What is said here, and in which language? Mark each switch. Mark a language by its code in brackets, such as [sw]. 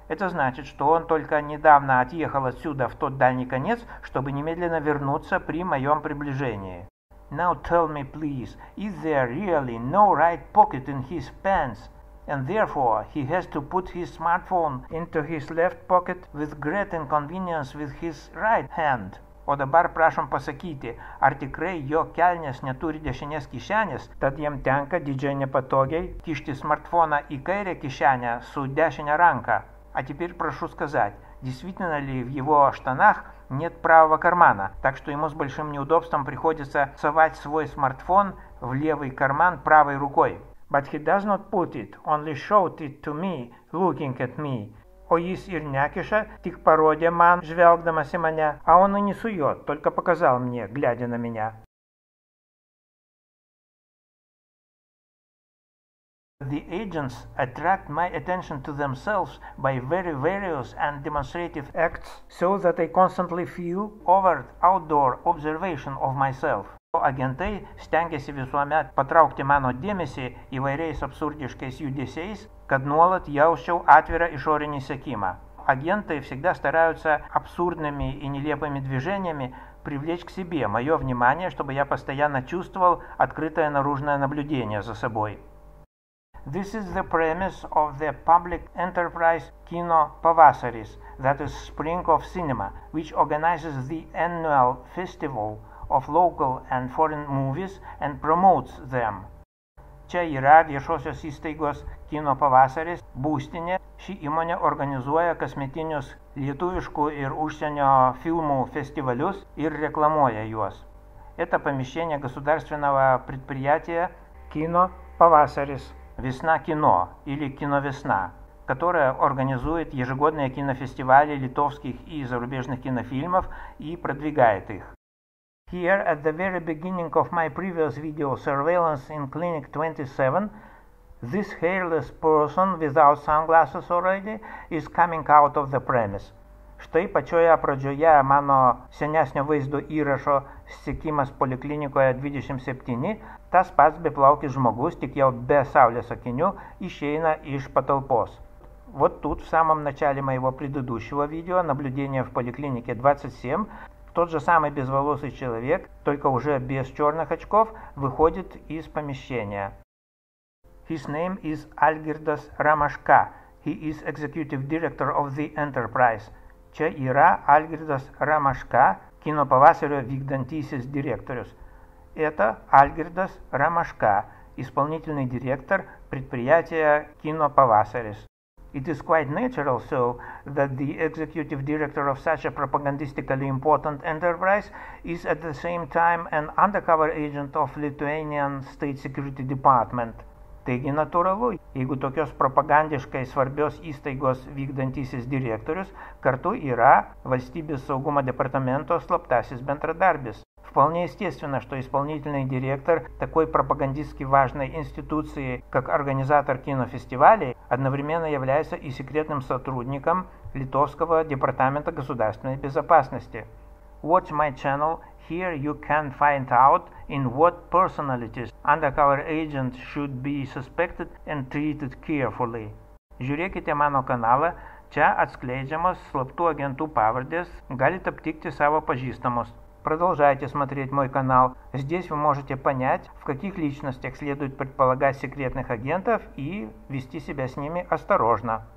[ru] Это значит, что он только недавно отъехал отсюда в тот дальний конец, чтобы немедленно вернуться при моем приближении. [en] Now tell me please, is there really no right pocket in his pants? And therefore, he has to put his smartphone into his left pocket with great inconvenience with his right hand. [lt] O dabar prašom pasakyti, ar tikrai jo kelnės neturi dešinės kišenės, tad jam tenka didžiai nepatogiai kišti smartfoną į kairę kišenę su dešinę ranką. [ru] А теперь прошу сказать, действительно ли в его штанах нет правого кармана, так что ему с большим неудобством приходится совать свой смартфон в левый карман правой рукой. [en] But he does not put it, only showed it to me, looking at me. [lt] O jis ir nekiša, tik parodė man, žvelgdamas į mane, [ru] а он и не сует, только показал мне, глядя на меня. [en] The agents attract my attention to themselves by very various and demonstrative acts, so that I constantly feel overt outdoor observation of myself. [lt] Агентai stengiasi visuomet patraukti mano dėmesį įvairiais absurdiškais judesiais, kad nuolat jausčiau atvirą išorinį sekimą. [ru] Агентai всегда стараются абсурдными и нелепыми движениями привлечь к себе мое внимание, чтобы я постоянно чувствовал открытое наружное наблюдение за собой. [en] This is the premise of the public enterprise Кино Pavasaris, that is Spring of Cinema, which organizes the annual festival of local and foreign movies and promotes them. [lt] Čia yra viešosios įstaigos Kino Pavasaris būstinė. Ši įmonė organizuoja kasmetinius lietuviškų ir užsienio filmų festivalius ir reklamuoja juos. [ru] Это помещение государственного предприятия Кино Pavasaris. Весна кино или Киновесна, которая организует ежегодные кинофестивали литовских и зарубежных кинофильмов и продвигает их. [en] Here at the very beginning of my previous video surveillance in clinic 27, this hairless person without sunglasses already is coming out of the premise. [lt] Štai pačioje pradžioje mano senesnio vaizdo įrašo sekimas poliklinikoje 27, tas pats beplaukis žmogus, tik jau be saulės akinių, išeina iš patalpos. [ru] Вот тут в самом начале моего предыдущего видео наблюдение в поликлинике 27, тот же самый безволосый человек, только уже без черных очков, выходит из помещения. [en] His name is Альгирдас Рамашка. He is executive director of the enterprise. [lt] Čia yra Альгирдас Рамашка, кино pavasario vykdantysis direktorius. [ru] Это Альгирдас Рамашка, исполнительный директор предприятия кино pavasaris. [en] It is quite natural, so, that the executive director of such a propagandistically important enterprise is at the same time an undercover agent of Lithuanian State Security Department. [lt] Taigi natūralu, jeigu tokios propagandiškai svarbios įstaigos vykdantysis direktorius, kartu yra Valstybės saugumo departamento slaptasis bendradarbis. [ru] Вполне естественно, что исполнительный директор такой пропагандистски важной институции, как организатор кинофестивалей, одновременно является и секретным сотрудником литовского департамента государственной безопасности. [en] Watch my channel, here you can find out in what personalities undercover agent should be suspected and treated carefully. [lt] Žiūrėkite mano kanalą, čia atskleidžiamos slaptų agentų pavardės, galite aptikti savo pažįstamus. [ru] Продолжайте смотреть мой канал. Здесь вы можете понять, в каких личностях следует предполагать секретных агентов и вести себя с ними осторожно.